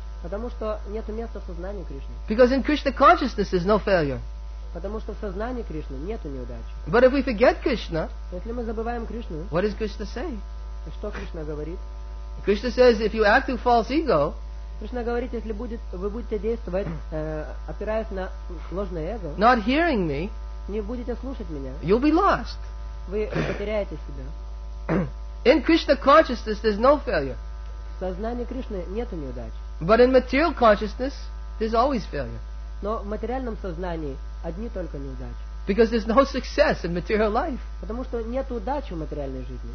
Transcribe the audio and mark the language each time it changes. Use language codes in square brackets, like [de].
[ru] Потому что нет места в сознании Кришны. [en] Because in Krishna consciousness there's no failure. [ru] Потому что в сознании Кришны нет неудачи. [en] But if we forget Krishna, [ru] если мы забываем Кришну, [en] what does Krishna say? [ru] Что Кришна говорит? [en] Krishna says if you act with false ego. [ru] Кришна говорит, если вы будете действовать, опираясь на ложное эго, [en] not hearing me, [ru] не будете слушать меня, [en] you'll be lost. [ru] Вы потеряете себя. [en] In Krishna consciousness there's no failure. [ru] В сознании Кришны нет неудач. [en] But in material consciousness there's always failure. [ru] Но в материальном сознании одни только неудачи. [en] Because there's no success in material life. [ru] Потому что нет удачи в материальной жизни.